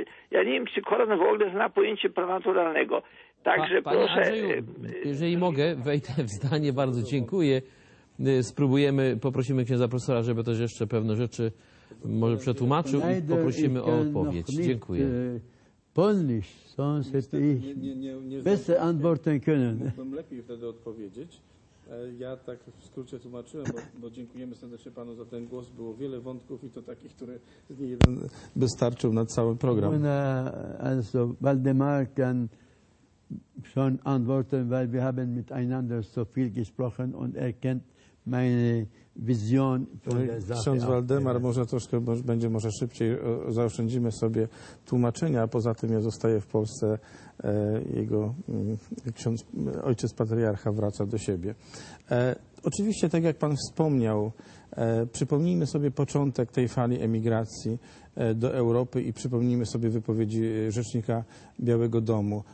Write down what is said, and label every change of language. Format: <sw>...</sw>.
<pl>Ja nie wiem, czy Koran w ogóle zna pojęcie prawa naturalnego. Także proszę... Jeżeli mogę, wejdę w zdanie, bardzo dziękuję. Spróbujemy, poprosimy księdza profesora, żeby też jeszcze pewne rzeczy może przetłumaczył i poprosimy o odpowiedź. Dziękuję.</pl> <de>Polnisch, sonst ich besser antworten können.</de> <pl>Mógłbym lepiej wtedy odpowiedzieć. Ja tak w skrócie tłumaczyłem, bo dziękujemy serdecznie panu za ten głos. Było wiele wątków i to takich, które z niej jeden wystarczył na cały program.</pl> <de>Also Waldemar kann schon antworten, weil wir haben miteinander so viel gesprochen und er kennt meine Vision.</de> <pl>Ksiądz Waldemar może troszkę będzie może szybciej, zaoszczędzimy sobie tłumaczenia, a poza tym ja zostaję w Polsce, jego ksiądz, ojciec patriarcha wraca do siebie. Oczywiście, tak jak pan wspomniał, przypomnijmy sobie początek tej fali emigracji do Europy i przypomnijmy sobie wypowiedzi rzecznika Białego Domu.</pl>